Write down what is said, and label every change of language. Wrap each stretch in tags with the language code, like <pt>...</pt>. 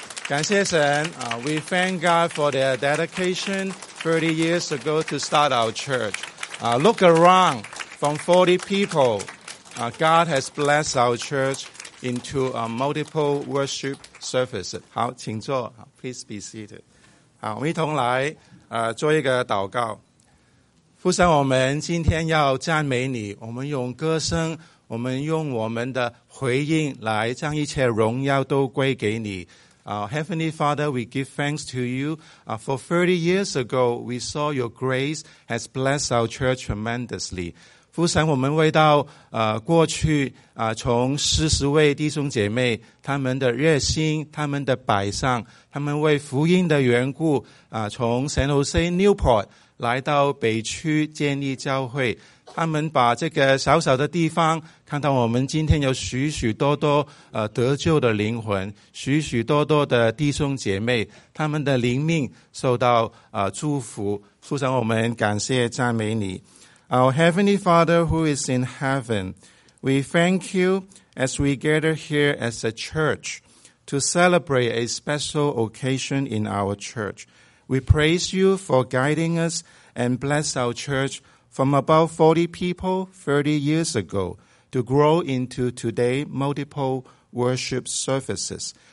<en>We thank God for their dedication 30 years ago to start our church. Look around from 40 people. God has blessed our church into a multiple worship services.</en> <zh>好，请坐。</zh> <en>Please be seated.</en> <zh>好，我们一同来做一个祷告。父神，我们今天要赞美你，我们用歌声，我们用我们的回应来将一切荣耀都归给你。</zh> <en>Heavenly Father, we give thanks to you. For 30 years ago, we saw your grace has blessed our church tremendously.</en> <zh>父神，我们为到过去从40位弟兄姐妹他们的热心、他们的摆上、他们为福音的缘故从 San Jose Newport 来到北区建立教会，他们把这个小小的地方看到我们今天有许许多多得救的灵魂，许许多多的弟兄姐妹他们的灵命受到祝福。父神，我们感谢赞美你。</zh> <en>Our Heavenly Father who is in heaven, we thank you as we gather here as a church to celebrate a special occasion in our church. We praise you for guiding us and bless our church from about 40 people 30 years ago to grow into today's multiple worship services.</en>